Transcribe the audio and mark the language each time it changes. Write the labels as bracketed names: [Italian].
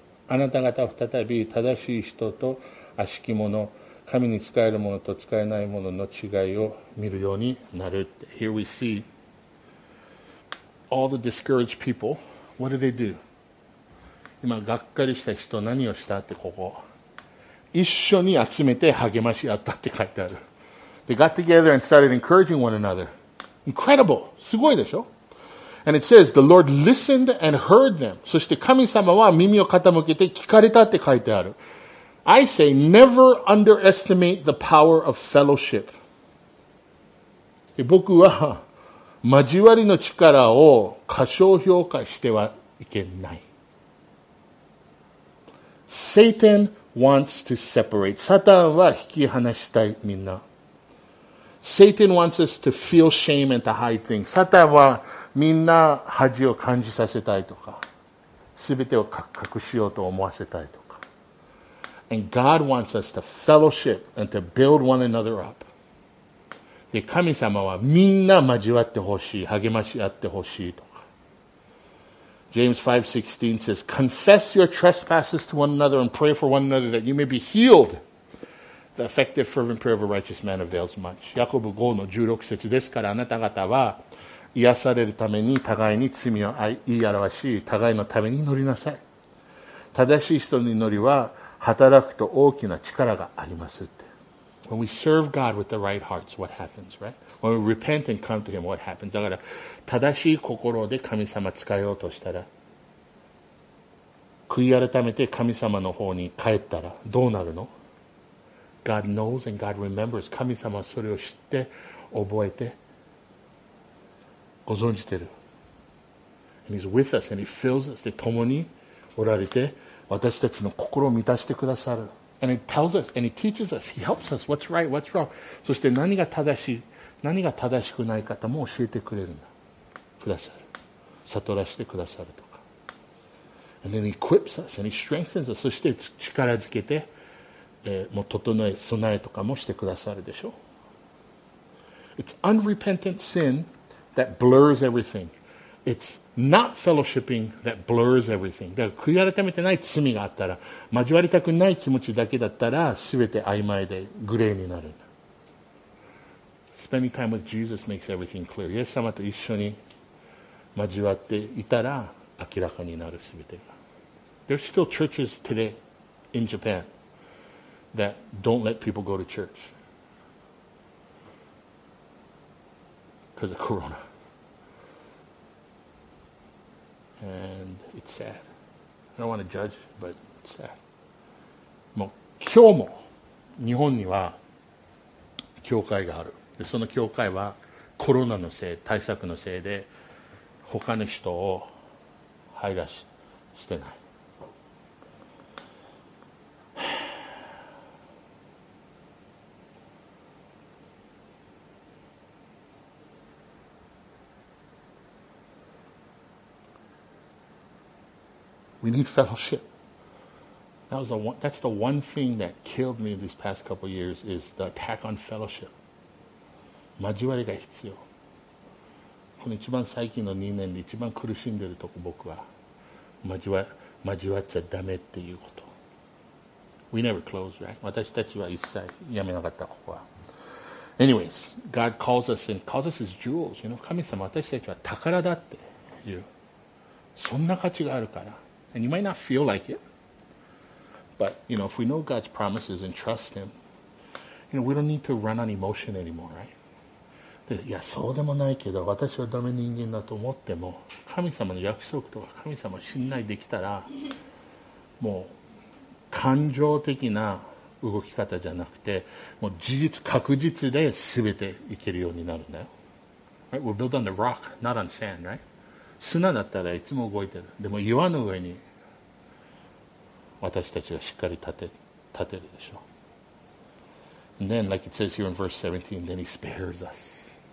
[Japanese] あなた方再び正しい人と悪しき者、神に使えるものと使えないものの違いを見るようになる。 [English] Here we see all the discouraged people. What do they do? [Japanese] 今、がっかりした人何をしたってここ。一緒に集めて励まし合ったって書いてある。 [English] They got together and started encouraging one another. Incredible! [Japanese] すごいでしょ? [English] And it says, the Lord listened and heard them. [Japanese] そして神様は耳を傾けて聞かれたって書いてある。 [English] I say, never underestimate the power of fellowship. [Japanese] 僕は交わりの力を過小評価してはいけない。 [English] Satan wants to separate. [Japanese] サタンは引き離したい、みんな。 [English] Satan wants us to feel shame and to hide things. [Japanese] サタンはみんな恥を感じさせたいとか、すべてを隠しようと思わせたいとか。 [English] And God wants us to fellowship and to build one another up. [Japanese] で、神様はみんな交わってほしい、励まし合ってほしいとか。 [English] James 5:16 says, Confess your trespasses to one another and pray for one another that you may be healed. The effective fervent prayer of a righteous man avails much. [Japanese] ヤコブ 5:16 節ですから、あなた方は癒されるために互いに罪を言い表し、互いのために祈りなさい。正しい人の祈りは、働くと大きな力がありますって。 [English] When we serve God with the right hearts, what happens, right? When we repent and come to Him, what happens? [Japanese] だから、正しい心で神様使えようとしたら、悔い改めて神様の方に帰ったら、どうなるの？ [English] God knows and God remembers. [Japanese] 神様はそれを知って、覚えて、ご存じてる。 [English] And He's with us and He fills us. [Japanese] で、共におられて、私たちの心を満たしてくださる。 [English] And He tells us, and He teaches us, He helps us, what's right, what's wrong. [Japanese] そして何が正しい、何が正しくない方も教えてくれるんだ。くださる。悟らせてくださるとか。 [English] And then He equips us, and He strengthens us. [Japanese] そして力づけて、もう整え、備えとかもしてくださるでしょう。 [English] It's unrepentant sin that blurs everything. It's not fellowshipping that blurs everything. [Japanese] だから悔い改めてない罪があったら、交わりたくない気持ちだけだったら、すべて曖昧でグレーになる。 [English] Spending time with Jesus makes everything clear. [Japanese] イエス様と一緒に交わっていたら明らかになるすべてが。 [English] There's still churches today in Japan that don't let people go to church because of Corona. And it's sad. I don't want to judge, but it's sad. [Japanese] もう今日も日本には教会がある。その教会はコロナのせい、対策のせいで他の人を排除 してない。 [English] We need fellowship. That's the one thing that killed me these past couple years is the attack on fellowship. [Japanese] 交わりが必要。この一番最近の2年で一番苦しんでるとこ僕は交わっちゃダメっていうこと。 [English] We never close, right? [Japanese] 私たちは一切やめなかったここは。 [English] Anyways, God calls us and calls us His jewels. [Japanese] You know, 神様私たちは宝だっていう。そんな価値があるから。 [English] And you might not feel like it, but you know, if we know God's promises and trust Him, you know, we don't need to run on emotion anymore, right? [Japanese] いやそうでもないけど私はダメ人間だと思っても神様の約束とか神様を信頼できたらもう感情的な動き方じゃなくてもう事実確実で全ていけるようになるんだよ、right? [English] We're built on the rock, not on sand, right? [Japanese] 砂だったらいつも動いてる。でも岩の上に私たちはしっかり立てるでしょう。 [English] And then like it says here in verse 17 then He spares us.